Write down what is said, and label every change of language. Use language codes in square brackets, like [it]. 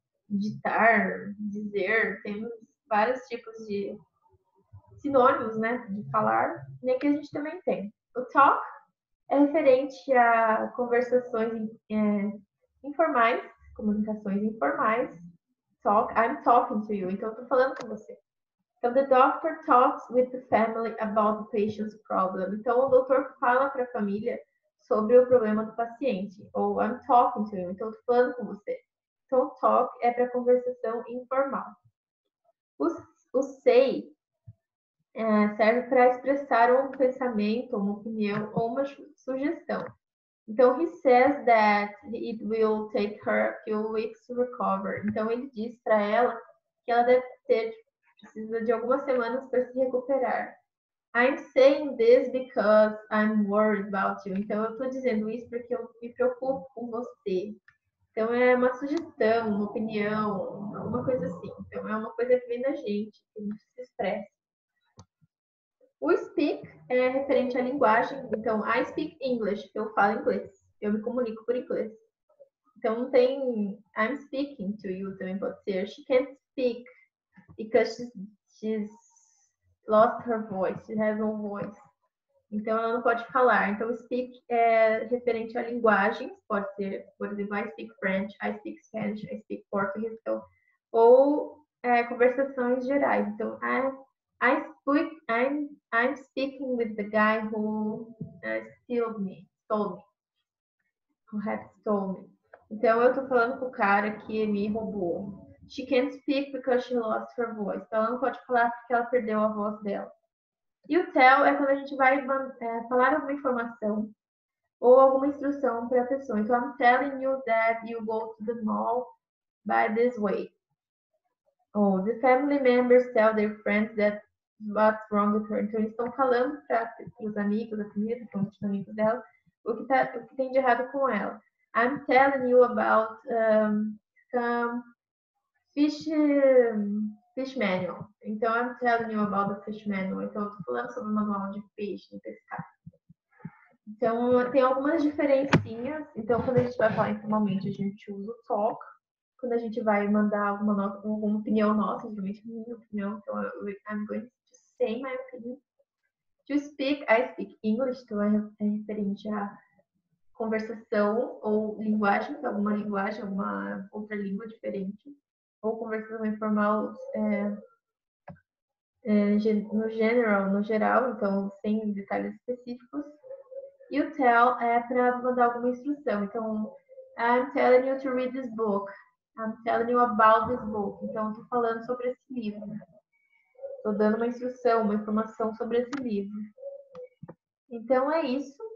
[pt] Ditar, dizer, temos vários tipos de sinônimos, né, de falar, né, que a gente também tem. O talk é referente a conversações informais, comunicações informais. Talk, [en] I'm talking to you, [pt] então eu tô falando com você. Então, [en] the doctor talks with the family about the patient's problem. [pt] Então, o doutor fala para a família sobre o problema do paciente. Ou, [en] I'm talking to you, [pt] então eu tô falando com você. Então, talk é para conversação informal. O say serve para expressar um pensamento, uma opinião ou uma sugestão. Então, [en] he says that it will take her a few weeks to recover. [pt] Então, ele diz para ela que ela precisa de algumas semanas para se recuperar. [en] I'm saying this because I'm worried about you. [pt] Então, eu estou dizendo isso porque eu me preocupo com você. Então, é uma sugestão, uma opinião, alguma coisa assim. Então, é uma coisa que vem da gente, que a gente se expressa. O speak é referente à linguagem. Então, [en] I speak English, [pt] eu falo inglês. Eu me comunico por inglês. Então, tem [en] I'm speaking to you [pt] também pode ser. [en] She can't speak because she's lost her voice. She has no voice. [pt] Então, ela não pode falar. Então, speak é referente a linguagens. Pode ser, por exemplo, [en] I speak French, I speak Spanish, I speak Portuguese. [pt] Então, ou é, conversações gerais. Então, [en] I'm speaking with the guy who stole me. Who had stole me. [pt] Então, eu tô falando com o cara que me roubou. [en] She can't speak because she lost her voice. [pt] Então, ela não pode falar porque ela perdeu a voz dela. E o tell é quando a gente vai falar alguma informação ou alguma instrução para a pessoa. Então, [en] I'm telling you that you go to the mall by this way. Oh, the family members tell their friends that what's wrong with her. [pt] Então, eles estão falando para os amigos, a família, para os amigos dela, o que tem de errado com ela. [en] I'm telling you about some fish manual. [pt] Então, [en] I'm telling you about the fish manual. [pt] Então, eu tô falando sobre o manual de peixe, de pescar. Então, tem algumas diferencinhas. Então, quando a gente vai falar informalmente, a gente usa o talk. Quando a gente vai mandar alguma nota, alguma opinião nossa, geralmente minha opinião. Então, [en] I'm going to say my opinion. To speak, I speak English. [pt] Então, é referente a conversação ou linguagem, então, alguma linguagem, alguma outra língua diferente. Ou conversação informal no geral, então sem detalhes específicos. E o tell é para mandar alguma instrução. Então, [en] I'm telling you to read this book. I'm telling you about this book. [pt] Então, eu estou falando sobre esse livro. Estou dando uma instrução, uma informação sobre esse livro. Então, é isso.